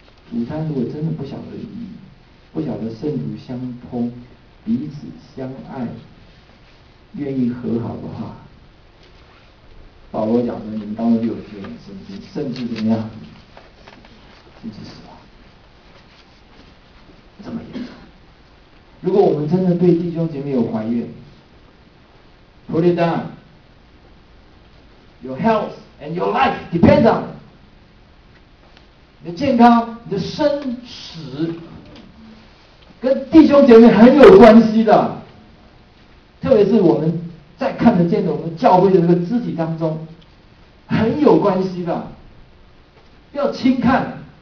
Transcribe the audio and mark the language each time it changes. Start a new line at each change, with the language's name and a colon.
Chinese: 主餐如果真的不晓得意义，不晓得圣徒相通，彼此相爱，愿意和好的话，保罗讲说你们当中就有些人生病，甚至怎么样，甚至死亡，这么严重。如果我们真的对弟兄姐妹有怀怨，
English: Put it down, Your health and your life depend on it.
Chinese: 你的健康，你的生死跟弟兄姐妹很有关系的，特别是我们在看得见的我们教会的这个肢体当中很有关系的，要轻看。